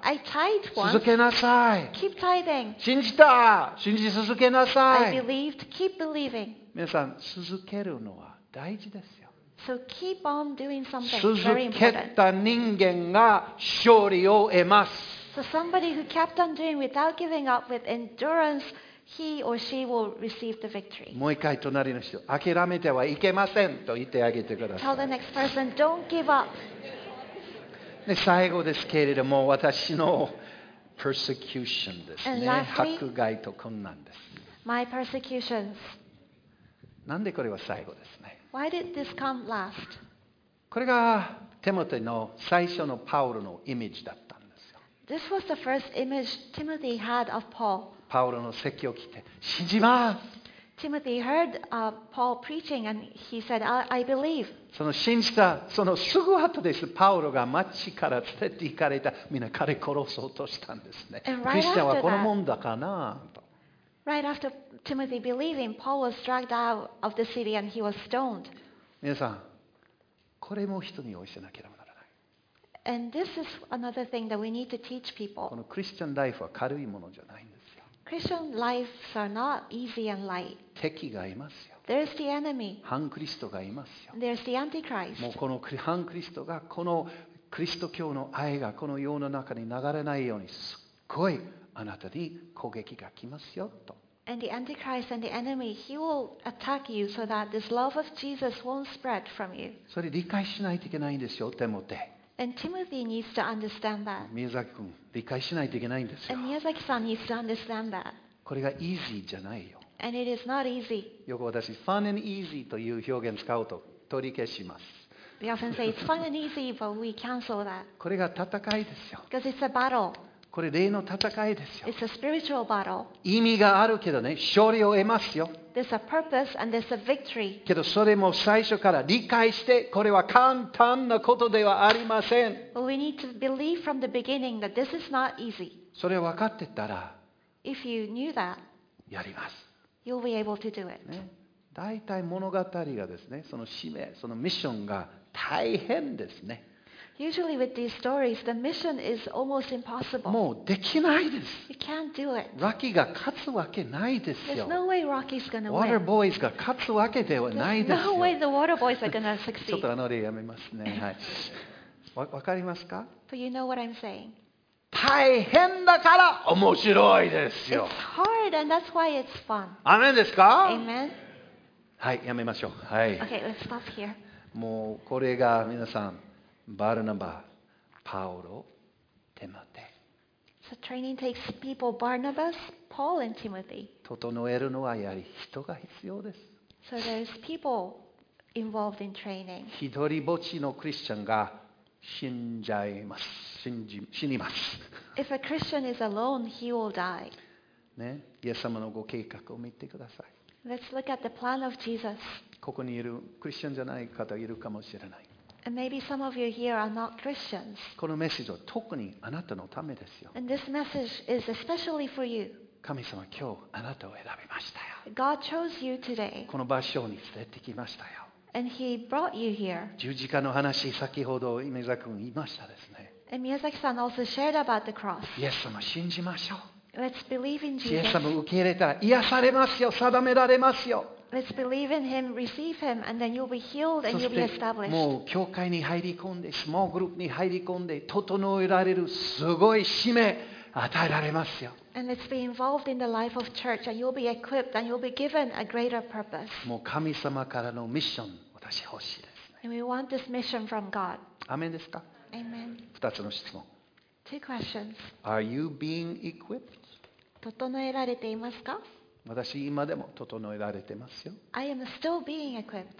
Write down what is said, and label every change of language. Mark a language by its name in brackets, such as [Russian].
[English] I tithed once. [Japanese] 続けなさい。 [English] Keep tithing. [Japanese] 信じた。信じ続けなさい。 [English] I believed. Keep believing. [Japanese] 皆さん続けるのは大事ですよ。 [English] So keep on doing something very important. [Japanese] 続けた人間が勝利を得ます。 [English] So somebody who kept on doing without giving up with endurance, he or she will receive the victory. [Japanese] もう一回隣の人、諦めてはいけませんと言ってあげてください。 [English] Tell the next person, don't give up. [Japanese] で最後ですけれども、私の persecution ですね。 [English] Lastly, [Japanese] 迫害と困難です。 [English] My persecutions. [Japanese] なんでこれは最後ですね。 [English] Why did this come last? [Japanese] これがテモテの最初のパウロのイメージだったんですよ。 [English] This was the first image Timothy had of Paul. [Japanese] パウロの説教を聞いて信じます。 [English] Timothy heard Paul preaching and he said, I believe. [Japanese] その信じたそのすぐ後です。パウロが町から連れて行かれた。みんな彼殺そうとしたんですね。クリスチャンはこのもんだかなと。 [English] Right after Timothy believing, Paul was dragged out of the city and he was stoned. [Japanese] 皆さん、これも人に教えなければならない。 [English] And this is another thing that we need to teach people. [Japanese] このクリスチャンライフは軽いものじゃないんですよ。 [English] Christian lives are not easy and light. [Japanese] 敵がいますよ。 [English] There's the enemy. [Japanese] 反クリストがいますよ。 [English] There's the antichrist. [Japanese] もうこの反クリストがこのクリスト教の愛がこの世の中に流れないようにすっごいあなたに攻撃が来ますよと。 [English] And the Antichrist and the enemy, he will attack you so that this love of Jesus won't spread from you. [Japanese] それ理解しないといけないんですよ、テモテ。 [English] And Timothy needs to understand that. [Japanese] 宮崎君、理解しないといけないんですよ。 [English] And Miyazaki-san needs to understand that. [Japanese] これが easy じゃないよ。 [English] And it is not easy. [Japanese] よく私、 [English] fun and easy [Japanese] という表現を使うと取り消します。 [English] We often say it's fun and easy, but we cancel that. [Japanese] これが戦いですよ。 [English] Because it's a battle. [Japanese] これ霊の戦いですよ。 [English] It's a spiritual battle. [Japanese] 意味があるけどね、勝利を得ますよ。 [English] There's a purpose and there's a victory. [Japanese] けどそれも最初から理解して、これは簡単なことではありません。 [English] But we need to believe from the beginning that this is not easy. [Japanese] それを分かってたら、 [English] If you knew that, [Japanese] やります。 [English] You'll be able to do it. [Japanese] ね、大体物語がですね、その使命、そのミッションが大変ですね。 [English] Usually with these stories, the mission is almost impossible. [Japanese] もうできないです。 [English] You can't do it. [Japanese] ロッキーが勝つわけないですよ。 [English] There's no way Rocky's gonna win. [Japanese] Water Boys が勝つわけではないですよ。 [English] There's no way the Water Boys are gonna succeed. [Japanese] ちょっとあの例やめますね。はい。わかりますか？ [English] But you know what I'm saying. [Japanese] 大変だから面白いですよ。 [English] It's hard and that's why it's fun. [Japanese] アメンですか？ [English] Amen. [Japanese] はい、やめましょう。はい。 [English] Okay, let's stop here. [Japanese] もうこれが皆さん。バルナバ、パウロ、テモテ。 [English] So training takes people Barnabas, Paul and Timothy. [Japanese] 整えるのはやはり人が必要です。 [English] So there's people involved in training. [Japanese] 一人ぼっちのクリスチャンが死んじゃいます。死にます。 [English] If a Christian is alone, he will die. [Japanese] ね、イエス様のご計画を見てください。 [English] Let's look at the plan of Jesus. [Japanese] ここにいるクリスチャンじゃない方いるかもしれない。 [English] And maybe some of you here are not Christians. [Japanese] このメッセージは特にあなたのためですよ。 [English] And this message is especially for you. [Japanese] 神様、今日あなたを選びましたよ。 [English] God chose you today. [Japanese] この場所に連れてきましたよ。 [English] And he brought you here. [Japanese] 十字架の話、先ほど宮崎君言いましたですね。 [English] And 宮崎さん also shared about the cross. [Japanese] イエス様、信じましょう。 [English] Let's believe in Jesus. [Japanese] イエス様を受け入れたら癒されますよ、定められますよ。 [English] Let's believe in him, receive him, and then you'll be healed and you'll be established. [Japanese] もう教会に入り込んで、スモールグループに入り込んで、整えられるすごい使命与えられますよ。 [English] And let's be involved in the life of church, and you'll be equipped and you'll be given a greater purpose. [Japanese] もう神様からのミッション、私欲しいですね。 [English] And we want this mission from God. [Japanese] アメンですか？ [English] Amen. [Japanese] 2つの質問。 [English] Two questions. Are you being equipped? [Japanese] 整えられていますか？私今でも整えられてますよ。 [English] I am still being equipped.